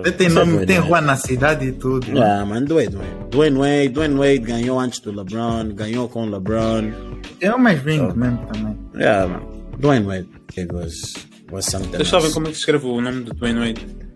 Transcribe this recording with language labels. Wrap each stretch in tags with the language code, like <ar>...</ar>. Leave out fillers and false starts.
<pt>Ele tem nome, tem rua na cidade e tudo. Ah, mano, Dwayne Wade ganhou antes do LeBron, ganhou com o LeBron. É o mais ring mesmo também.</pt> <en>Yeah, mano. Dwayne Wade, it was something else.</en> <pt>Vocês sabem como é que se escreve o nome do Dwayne Wade?</pt>